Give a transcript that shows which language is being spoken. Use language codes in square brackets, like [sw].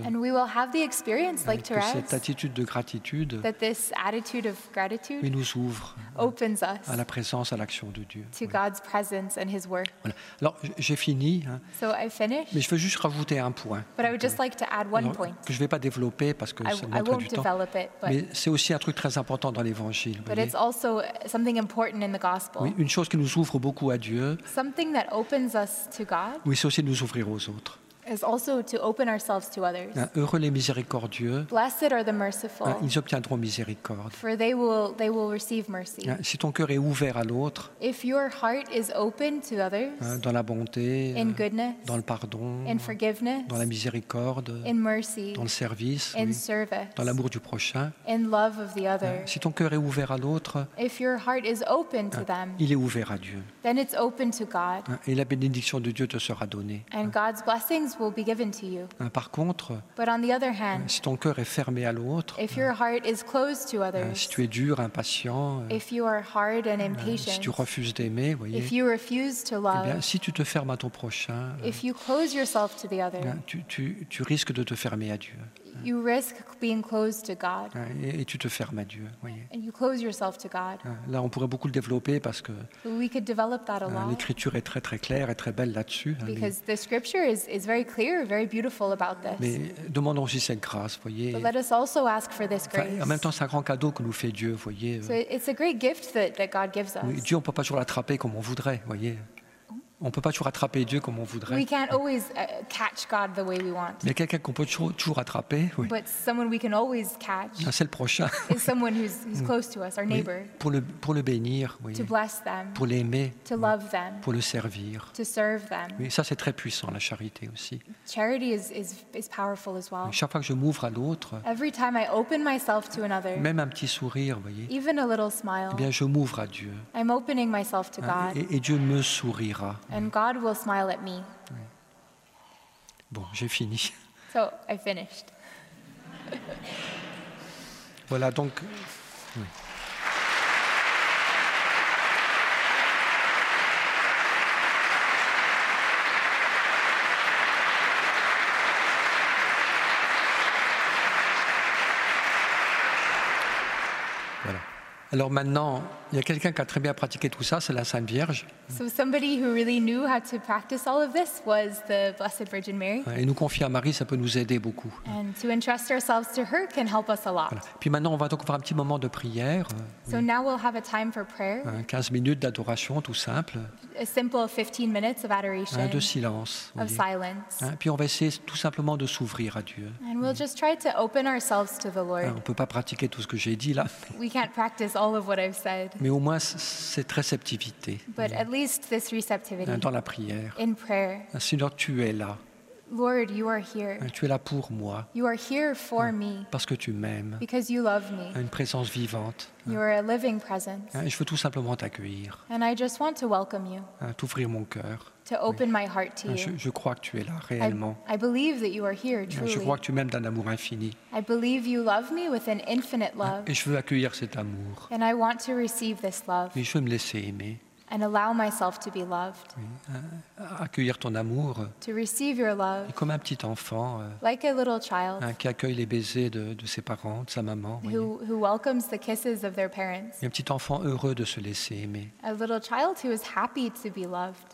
[en] And we will have the experience like Thérèse. [fr] Que cette attitude de gratitude. [en] That this attitude of gratitude. [fr] Oui, nous ouvre. [en] Opens us. [fr] À la présence, à l'action de Dieu. [en] To God's presence and his work. [fr] Voilà. Alors, j'ai fini. [en] So I finished. [fr] Mais je veux juste rajouter un point. [en] But I would just like to add one point. [fr] Que je ne vais pas développer parce que ça me prend du temps. [en] It, [fr] mais c'est aussi un truc très important dans l'Évangile. [en] But it's also something important in the gospel. [fr] Oui, une chose qui nous ouvre beaucoup à Dieu. [en] Something that opens us to God. [fr] Oui, c'est aussi de nous ouvrir aux autres. [en] Is also to open ourselves to others. [fr] Heureux les miséricordieux. [en] Blessed are the merciful. [fr] Ils obtiendront miséricorde. [en] For they will receive mercy. [fr] Si ton cœur est ouvert à l'autre. [en] If your heart is open to others. [fr] Dans la bonté. [en] In goodness. [fr] Dans le pardon. [en] In forgiveness. [fr] Dans la miséricorde. [en] In mercy. [fr] Dans le service. [en] In [fr] oui. [en] service. [fr] Dans l'amour du prochain. [en] In love of the other. [fr] Si ton cœur est ouvert à l'autre. [en] If your heart is open to them. [fr] Il est ouvert à Dieu. [en] Then it's open to God. [fr] Et la bénédiction de Dieu te sera donnée. [en] And God's blessings will be given to you. [fr] Par contre, [en] but on the other hand, [fr] si ton cœur est fermé à l'autre, [en] if your heart is closed to others, [fr] si tu es dur, impatient, [en] if you are hard and impatient, [fr] si tu refuses d'aimer, voyez, [en] if you refuse to love, [fr] eh bien, si tu te fermes à ton prochain, [en] if you close yourself to the other, [fr] tu risques de te fermer à Dieu. [en] You risk being closed to God. [fr] Et tu te fermes à Dieu, voyez. [en] And you close yourself to God. [fr] Là, on pourrait beaucoup le développer parce que [en] we could develop that a lot. [fr] L'écriture est très très claire et très belle là-dessus. [en] Because the scripture is very clear, very beautiful about this. [fr] Mais demandons aussi cette grâce, voyez. [en] But let us also ask for this grace. [fr] En même temps, c'est un grand cadeau que nous fait Dieu, voyez. [en] So it's a great gift that God gives us. [fr] Dieu, on peut pas toujours l'attraper comme on voudrait, voyez. On peut pas toujours attraper Dieu comme on voudrait. [en] We can't always catch God the way we want. [fr] Mais quelqu'un qu'on peut toujours attraper, oui. [en] But someone we can always catch. [fr] Non, c'est le prochain. [en] Is someone who's close to us, our neighbor. [fr] Oui. Pour le bénir, oui. [en] To bless them. [fr] Pour l'aimer. [en] To love them. [fr] Pour le servir. [en] To serve them. [fr] Oui, ça c'est très puissant, la charité aussi. [en] Charity is powerful as well. [fr] Mais chaque fois que je m'ouvre à l'autre. [en] Every time I open myself to another. [fr] Même un petit sourire, voyez. [en] Even a little smile. [fr] Eh bien, je m'ouvre à Dieu. [en] I'm opening myself to God. [fr] Et Dieu me sourira. [en] And God will smile at me. [fr] Bon, j'ai fini. [en] So, I finished. [fr] Voilà, donc... Oui. Voilà. Alors maintenant, il y a quelqu'un qui a très bien pratiqué tout ça, c'est la Sainte Vierge. [en] So somebody who really knew how to practice all of this was the Blessed Virgin Mary. [fr] Et nous confier à Marie, ça peut nous aider beaucoup. [en] And to entrust ourselves to her can help us a lot. [fr] Voilà. Puis maintenant, on va donc avoir un petit moment de prière. [en] So now we'll have a time for prayer. [fr] 15 minutes d'adoration, tout simple. [en] A simple 15 minutes of adoration. [fr] De silence. [en] Of silence. [fr] Puis on va essayer tout simplement de s'ouvrir à Dieu. [en] And we'll just try to open ourselves to the Lord. [fr] On peut pas pratiquer tout ce que j'ai dit là. [en] We can't practice all of what I've said. [fr] Mais au moins cette réceptivité. [en] But at least this receptivity. [fr] Dans la prière. [en] In prayer. [fr] Seigneur, tu es là. [en] Lord, you are here. [fr] Tu es là pour moi. [en] You are here for me. [fr] Parce que tu m'aimes. [en] Because you love me. [fr] Une présence vivante. [en] You are a living presence. [fr] Je veux tout simplement t'accueillir. [en] And I just want to welcome you. [fr] T'ouvrir mon cœur. [en] To open my heart to you. [fr] Je crois que tu es là réellement. [en] I believe that you are here truly. [fr] Je crois que tu m'aimes d'un amour infini. [en] I believe you love me with an infinite love. [fr] Et je veux accueillir cet amour. [en] And I want to receive this love. [fr] Et je veux me laisser aimer. [en] And allow myself to be loved. [fr] Accueillir ton amour. [en] To receive your love. [fr] Et comme un petit enfant. [en] Like a little child. [fr] Qui accueille les baisers de ses parents, de sa maman. [en] Who welcomes the kisses of their parents. [fr] Et un petit enfant heureux de se laisser aimer. [en] A little child who is happy to be loved.